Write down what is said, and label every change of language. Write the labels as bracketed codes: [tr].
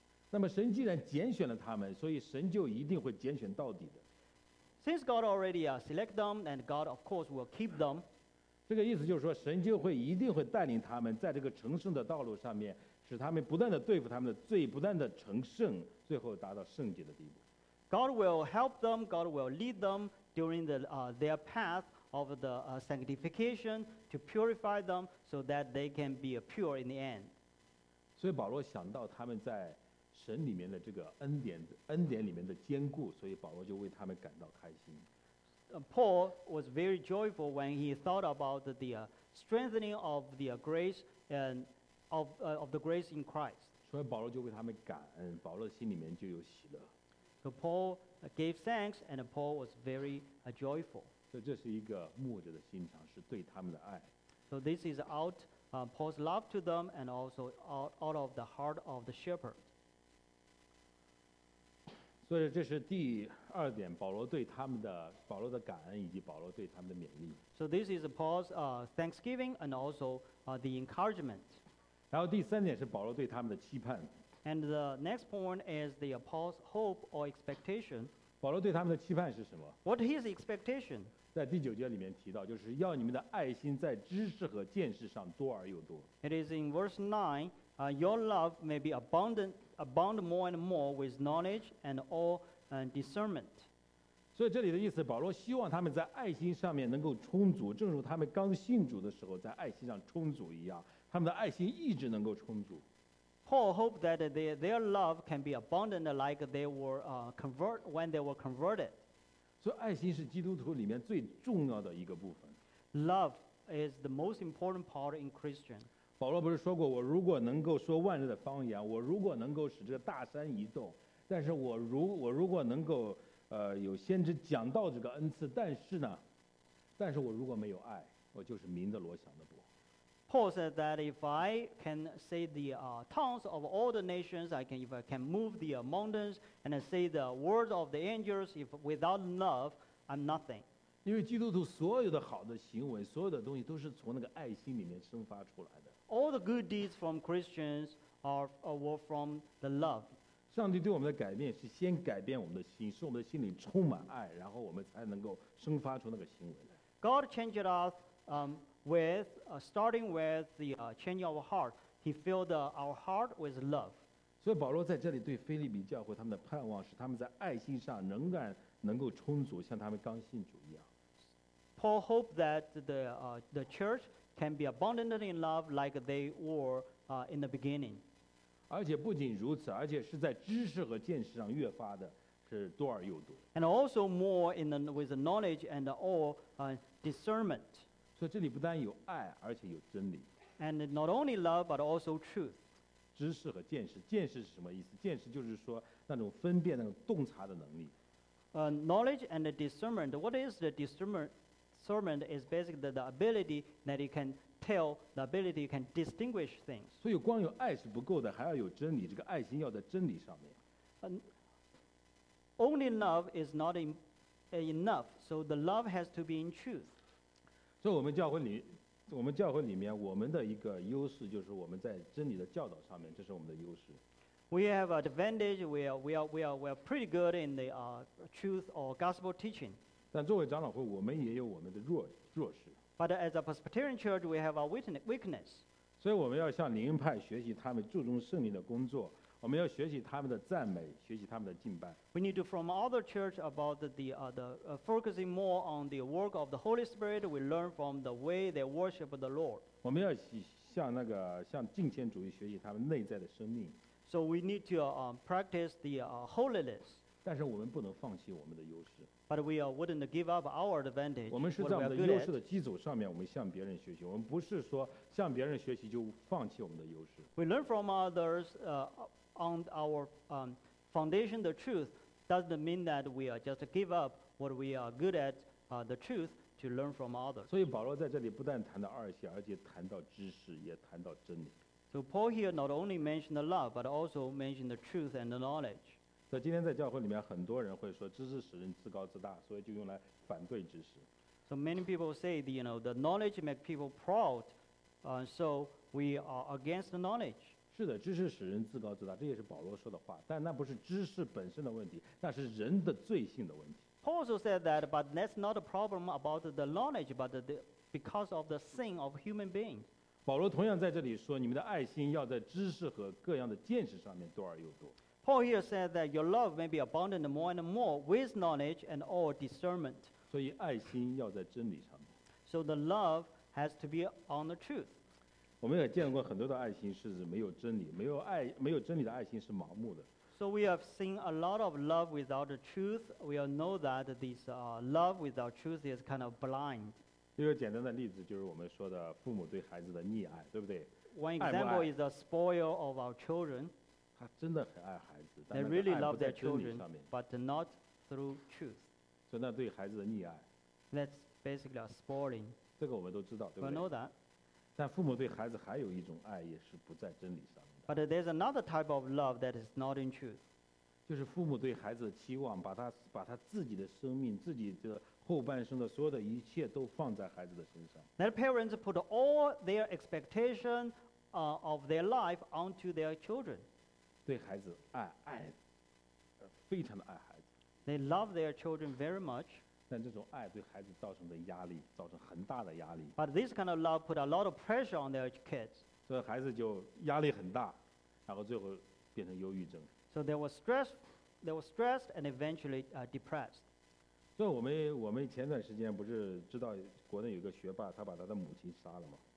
[zh] 那么神既然拣选了他们，所以神就一定会拣选到底的。 [en] Since God already select them, and God of course will keep them. [zh] 这个意思就是说，神就会一定会带领他们在这个成圣的道路上面，使他们不断的对付他们的罪，不断的成圣，最后达到圣洁的地步。 [en] God will help them. God will lead them during their path of the sanctification to purify them, so that they can be pure in the end. [zh] 所以保罗想到他们在。神里面的这个恩典里面的坚固，所以保罗就为他们感到开心。 [en] Paul was very joyful when he thought about the strengthening of the grace and of the grace in Christ. [zh] 所以保罗就为他们感恩，保罗心里面就有喜乐。 [en] So Paul gave thanks and Paul was very joyful. [zh] 所以这是一个牧者的心肠，是对他们的爱。 [en] So this is out Paul's love to them and also out of the heart of the shepherd. [zh] 所以这是第二点，保罗对他们的保罗的感恩以及保罗对他们的勉励。 [en] So this is Paul's thanksgiving and also the encouragement. [zh] 然后第三点是保罗对他们的期盼。 [en] And the next point is the Paul's hope or expectation. [zh] 保罗对他们的期盼是什么 [en] ？What his expectation? [zh] 在第九节里面提到，就是要你们的爱心在知识和见识上多而又多。 [en] It is in verse 9, your love may be abound more and more with knowledge and all discernment. [zh] 所以这里的意思，保罗希望他们在爱心上面能够充足，正如他们刚信主的时候在爱心上充足一样，他们的爱心一直能够充足。 [en] Paul hoped that their love can be abundant like they were when they were converted. [zh] 所以爱心是基督徒里面最重要的一个部分。 [en] Love is the most important part in Christian. [zh] 保罗不是说过，我如果能够说万人的方言，我如果能够使这大山移动，但是我如果能够有先知讲道这个恩赐，但是呢，但是我如果没有爱，我就是名的锣响的钵。 [en] Paul said that if I can say the tongues of all the nations, if I can move the mountains and I say the words of the angels, if without love, I'm nothing. [zh] 因为基督徒所有的好的行为，所有的东西都是从那个爱心里面生发出来的。 [en] All the good deeds from Christians were from the love. [zh] 上帝对我们的改变是先改变我们的心，使我们的心里充满爱，然后我们才能够生发出那个行为来。 [en] God changed us, starting with the change of heart. He filled our heart with love. [zh] 所以保罗在这里对腓立比教会他们的盼望是他们在爱心上仍然能够充足，像他们刚信主一样。 [en] Paul hoped that the church can be abundant in love like they were in the beginning. [zh] 而且不仅如此，而且是在知识和见识上越发的是多而又多。 [en] And also more in the, with the knowledge and all discernment. [zh] 所以这里不单有爱，而且有真理。 [en] And not only love but also truth. [zh] 知识和见识，见识是什么意思？见识就是说那种分辨、那个洞察的能力。 [en] Knowledge and discernment. What is the discernment? Discernment is basically the ability that you can tell, the ability you can distinguish things. [zh] 所以光有爱是不够的，还要有真理。这个爱心要在真理上面。 [en] Only love is not enough. So the love has to be in truth. [zh] 所以我们教会里面，我们的一个优势就是我们在真理的教导上面，这是我们的优势。 [en] We have an advantage. We are pretty good in the truth or gospel teaching. [zh] 但作为长老会，我们也有我们的弱势。 [en] But as a Presbyterian church, we have our weakness. [zh] 所以我们要向灵恩派学习，他们注重圣灵的工作。我们要学习他们的赞美，学习他们的敬拜。 [en] We need to from other church about the focusing more on the work of the Holy Spirit. We learn from the way they worship the Lord. [zh] 我们要向那个向敬虔主义学习他们内在的生命。 [en] So we need to practice the holiness. [zh] 但是我们不能放弃我们的优势。 [en] But we wouldn't give up our advantage. [zh] 我们是在我们的优势的基础上面，我们向别人学习。我们不是说向别人学习就放弃我们的优势。 [en] We learn from others on our foundation. The truth doesn't mean that we just give up what we are good at. The truth to learn from others. [zh] 所以保罗在这里不但谈到二性，而且谈到知识，也谈到真理。 [en] So Paul here not only mentioned the love, but also mentioned the truth and the knowledge. [zh] 在今天在教会里面，很多人会说知识使人自高自大，所以就用来反对知识。 [en] So many people say, the knowledge make people proud. So we are against the knowledge. [zh] 是的，知识使人自高自大，这也是保罗说的话。但那不是知识本身的问题，那是人的罪性的问题。 [en] Paul also said that, but that's not a problem about the knowledge, but because of the sin of human beings. [zh] 保罗同样在这里说，你们的爱心要在知识和各样的见识上面多而又多。 [en] Paul here said that your love may be abundant more and more with knowledge and all discernment. [zh] 所以爱心要在真理上面。 [en] So the love has to be on the truth. [zh] 我们也见过很多的爱心是没有真理，没有真理的爱心是盲目的。 [en] So we have seen a lot of love without the truth. We all know that this love without truth is kind of blind. [zh] 一个简单的例子就是我们说的父母对孩子的溺爱，对不对？ [en] One example is the spoil of our children. [zh] 他真的很爱孩子，但 [en] They really love their children, but not through truth. [zh] 所以那对孩子的溺爱。 [en] That's basically a spoiling. [zh] 这个我们都知道，对不对？ [en] We know that. [zh] 但父母对孩子还有一种爱，也是不在真理上面的。 [en] But there's another type of love that is not in truth. [zh] 就是父母对孩子的期望，把他自己的生命，自己的后半生的所有的一切都放在孩子的身上。 [en] Their parents put all their expectation of their life onto their children. [zh] 对孩子爱，非常的爱孩子。 [en] They love their children very much. [zh] 但这种爱对孩子造成的压力，造成很大的压力。 [en] But this kind of love put a lot of pressure on their kids. [zh] 所以孩子就压力很大，然后最后变成忧郁症。 [en] So they were stressed and eventually depressed. [zh] 所以我们前段时间不是知道国内有个学霸，他把他的母亲杀了吗